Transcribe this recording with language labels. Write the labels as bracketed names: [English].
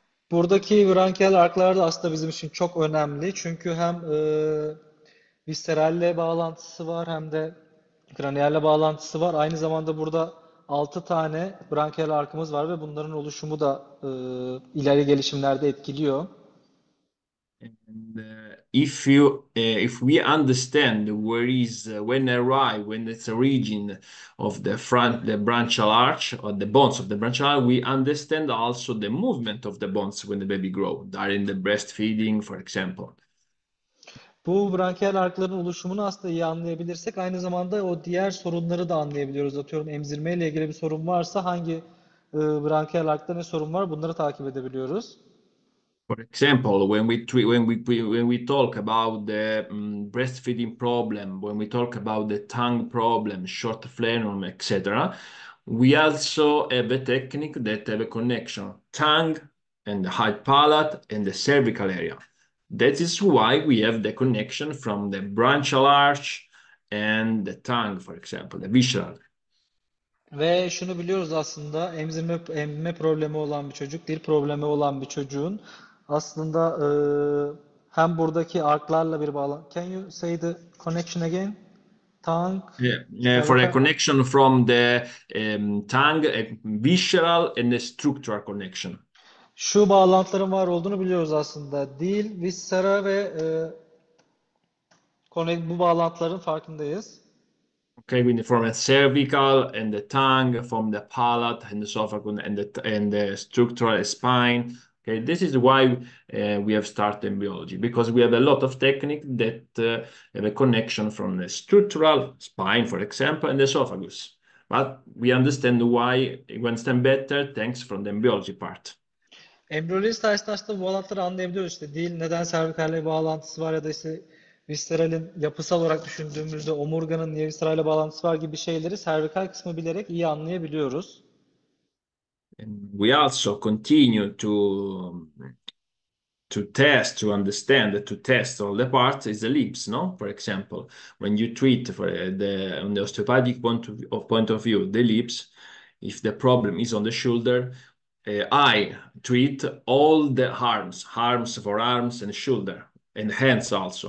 [Turkish] Buradaki branşiyel arklar da aslında bizim için çok önemli. Çünkü hem viseralle bağlantısı var hem de kraniyalle bağlantısı var. Aynı zamanda burada 6 tane branşiyel arkımız var ve bunların oluşumu da ileri gelişimlerde etkiliyor. [English] And if we understand when arrive, when it's origin of the front, the branchial arch or the bones of the branchial arch, we understand also the movement of the bones when the baby grow during the breastfeeding, for example. [Turkish] Bu branşiyel arkların oluşumunu aslında iyi anlayabilirsek aynı zamanda o diğer sorunları da anlayabiliyoruz. Atıyorum emzirme ile ilgili bir sorun varsa hangi branşiyel arkta ne sorun var bunları takip edebiliyoruz. [English] For example, when we talk about the breastfeeding problem, when we talk about the tongue problem, short phlegm, etc., we also have a technique that have a connection tongue and the high palate and the cervical area. That is why we have the connection from the branchial arch and the tongue, for example, the visceral. [Turkish] Ve şunu biliyoruz aslında emme problemi olan bir çocuk dil problemi olan bir çocuğun aslında hem buradaki arklarla bir bağlantı. [English] Can you say the connection again? Tongue, For a cervical. connection from the tongue, visceral and the structural connection. [Turkish] Şu bağlantıların var olduğunu biliyoruz aslında. Dil, viscera ve bu bağlantıların farkındayız. [English] Okay, we from a cervical and the tongue, from the palate and the esophagus and the structural spine. Okay, this is why we have started embryology, because we have a lot of technique that have a connection from the structural spine, for example, and the esophagus. But we understand why we understand better thanks from the embryology part. [Turkish] Embriyoloji sayesinde aslında bu bağlantıları anlayabiliyoruz. İşte dil neden servikalle bağlantısı var ya da işte visceralin yapısal olarak düşündüğümüzde omurganın niye visceralle bağlantısı var gibi şeyleri servikal kısmı bilerek iyi anlayabiliyoruz. [English] We also continue to test all the parts is the lips, no? For example, when you treat for the on the osteopathic point of view, the lips, if the problem is on the shoulder, I treat all the arms, for arms and shoulder and hands also.